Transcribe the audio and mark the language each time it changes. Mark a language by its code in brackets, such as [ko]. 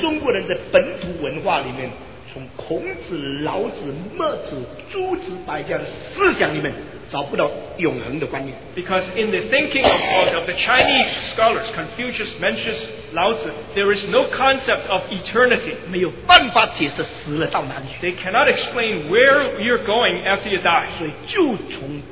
[zh] 中国人的本土文化里面, 从孔子、老子、墨子、诸子百家的思想里面, 找不到永恒的观念。 [en] Because in the thinking of the Chinese scholars, Confucius, Mencius, Laozi, there is no concept of eternity. [zh] 没有办法解释死了到哪里去。 [en] They cannot explain where you're going after you die.